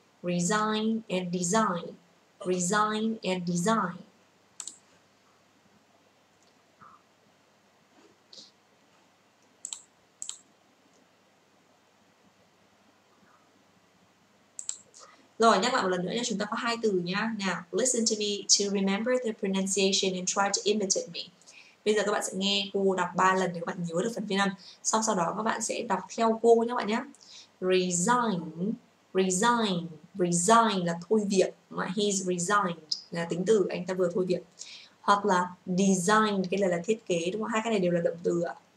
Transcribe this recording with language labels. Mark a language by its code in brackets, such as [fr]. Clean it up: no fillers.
[en] Resign and design. Resign and design. [vi] Rồi, nhắc lại một lần nữa nha, chúng ta có hai từ nhá. [en] Now, listen to me to remember the pronunciation and try to imitate me. [vi] Bây giờ các bạn sẽ nghe cô đọc 3 lần để các bạn nhớ được phần phiên âm. Xong sau đó các bạn sẽ đọc theo cô nhé các bạn nhé. [en] Resign, resign, resign [vi] là thôi việc. Mà [en] he's resigned [vi] là tính từ, anh ta vừa thôi việc. Hoặc là design, cái này là thiết kế đúng không? Hai cái này đều là động từ ạ.